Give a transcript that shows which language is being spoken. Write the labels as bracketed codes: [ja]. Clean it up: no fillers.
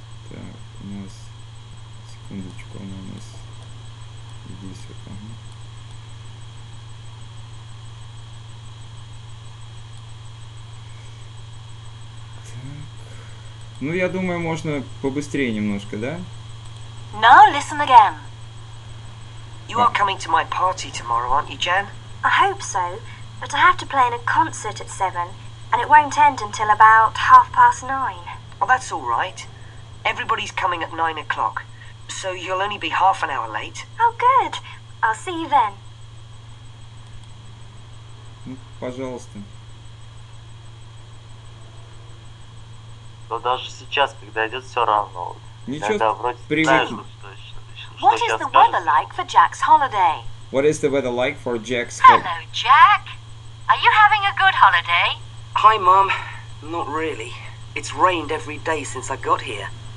[ru] Так, у нас... Секундочку, она у нас... Здесь вот, ага. Ну, я думаю, можно побыстрее немножко, да? [en] Now listen again. You are coming to my party tomorrow, aren't you, Jan? I hope so, but I have to play in a concert at 7, and it won't end until about 9:30. Well, that's all right. Everybody's coming at 9:00, so you'll only be 30 minutes late. Oh, good. I'll see you then. [ru] Ну, пожалуйста. Но даже сейчас, когда идет, все равно. Ничего, вроде привык. [en] What is the weather like for Jack's holiday? What is the weather like for Jack's holiday? Hello, Jack. Are you having a good holiday? Hi, Mom. Not really. It's rained every day since I got here.